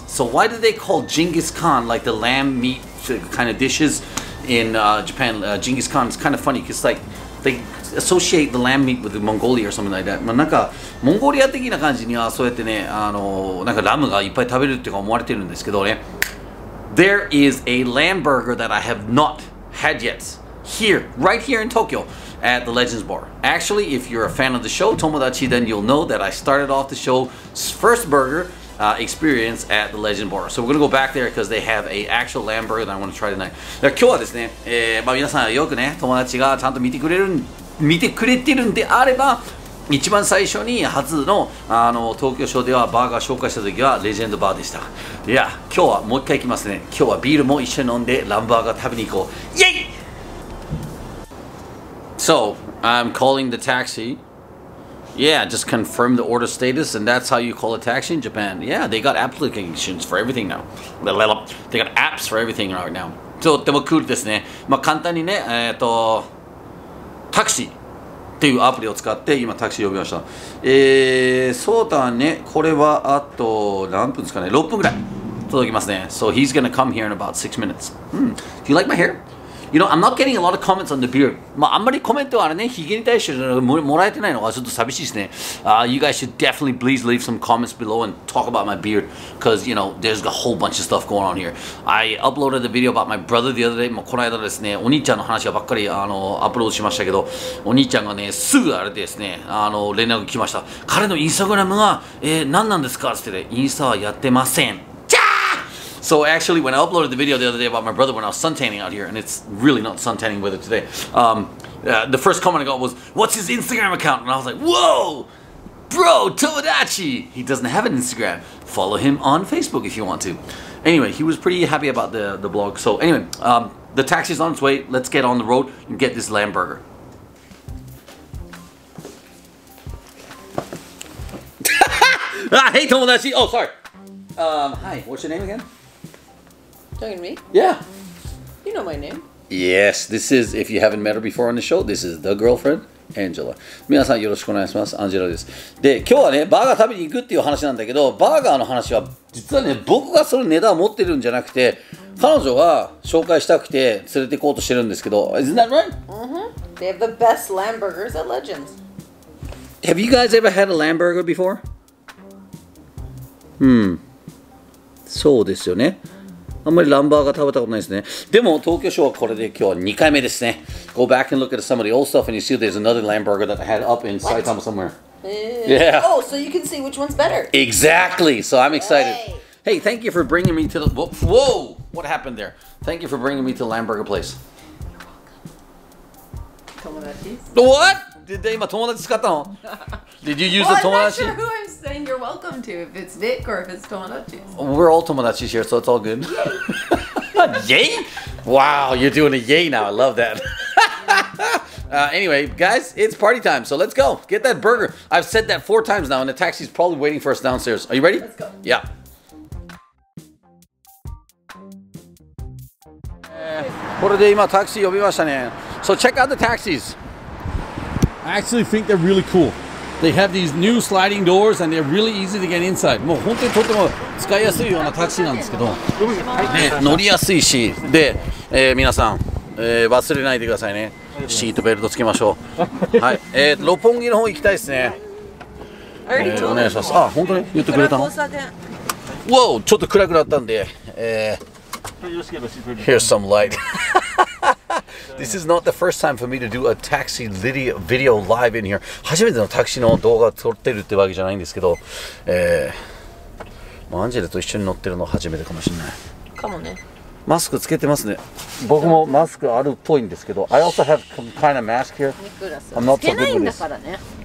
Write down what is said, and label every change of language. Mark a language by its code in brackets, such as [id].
[en] So why do they call Genghis Khan like the lamb meat kind of dishes in Japan? Genghis Khan is kind of funny because like they associate the lamb meat with Mongolia or something like that. [ja] まあなんかモンゴリア的な感じにはそうやってね、なんかラムがいっぱい食べるって思われてるんですけどね。 [en] There is a lamb burger that I have not had yet. Here, right here in Tokyo at the Legends Bar. Actually, if you're a fan of the show, Tomodachi, then you'll know that I started off the show's first burger experience at the Legends Bar. So we're gonna go back there because they have an actual lamb burger that I want to try tonight. [ja] 今日はですね、まあ皆さんよくね、友達がちゃんと見てくれてるんであれば、一番最初に初の、東京ショーではバーガー紹介した時はレジェンドバーでした。いや、今日はもう一回行きますね。今日はビールも一緒に飲んでラムバーガー食べに行こう。イエイ！ [en] So, I'm calling the taxi. Yeah, just confirm the order status, and that's how you call a taxi in Japan. Yeah, they got applications for everything now. They got apps for everything right now. [ja] とってもクールですね。まあ簡単にね、タクシーっていうアプリを使って今タクシー呼びました。そうだね、これはあと何分ですかね、6分ぐらい届きますね。 [en] So he's gonna come here in about 6 minutes. Do you like my hair? You know, I'm not getting a lot of comments on the beard. [ja] まああんまりコメントはあれね、ヒゲに対してもらえてないのがちょっと寂しいですね。 [en] You guys should definitely please leave some comments below and talk about my beard. Because, you know, there's a whole bunch of stuff going on here. I uploaded a video about my brother the other day. [ja] まあこの間ですね、お兄ちゃんの話ばっかりアップロードしましたけど、お兄ちゃんがね、すぐあれですね、連絡が来ました。彼のインスタグラムが、何なんですかって言って、インスタはやってません。 [en] So actually, when I uploaded the video the other day about my brother when I was suntanning out here, and it's really not suntanning weather today, the first comment I got was, what's his Instagram account? And I was like, whoa, bro, Tomodachi, he doesn't have an Instagram. Follow him on Facebook if you want to. Anyway, he was pretty happy about the blog. So anyway, the taxi's on its way. Let's get on the road and get this lamb burger. hey, Tomodachi. Oh, sorry. Hi, what's your name again? Talking to me? Yeah. You know my name. Yes, this is, if you haven't met her before on the show, this is the girlfriend, Angela. [ja] 皆さんよろしくお願いします。 Angela です。で、今日はね、バーガー食べに行くっていう話なんだけど、バーガーの話は、実はね、僕がその値段を持ってるんじゃなくて、彼女が紹介したくて連れて行こうとしてるんですけど、 [en] Isn't that right? Mm-hmm. They have the best lamb burgers at Legends. Have you guys ever had a lamb burger before? [ja] Hmm. そうですよね。あんまりランバーガー食べたことないですね。でも東京ショーはこれで今日は2回目ですね。 [en] Go back and look at some of the old stuff and you see there's another lamb burger that I had up in Saitama somewhere. Yeah. Oh, so you can see which one's better. Exactly. So I'm excited. Hey, thank you for bringing me to the... Whoa! What happened there? Thank you for bringing me to the lamb burger place. Tomodachi. What? Did they [ja] 今友達使ったの? [en] Did you use the tomodachi? I'm not sure who I'm saying you're welcome to, if it's Vic or if it's tomodachi. We're all tomodachis here, so it's all good. Yay! Wow, you're doing a yay now. I love that. anyway, guys, it's party time, so let's go. Get that burger. I've said that 4 times now, and the taxi's probably waiting for us downstairs. Are you ready? Let's go. Yeah. [ja] これで今タクシー呼びましたね。 [en] So check out the taxis. I actually think they're really cool. They have these new sliding doors and they're really easy to get inside. [ja] もう本当にとても使いやすいようなタクシーなんですけど、ね、乗りやすいし、で、皆さん、忘れないでくださいね。シートベルトつけましょう。はい、六本木の方行きたいですね。お願いします。あ、本当に言ってくれたの。わお、ちょっと暗くなったんで、 [en] Here's some light. This is not the first time for me to do a taxi video live in here. [ja] 初めてのタクシーの動画撮ってるってわけじゃないんですけど、アンジェルと一緒に乗ってるの初めてかもしれない。かもね。マスクつけてますね。僕もマスクあるっぽいんですけど、 [en] I also have some kind of mask here. [ja] ニクラス、つけないんだからね。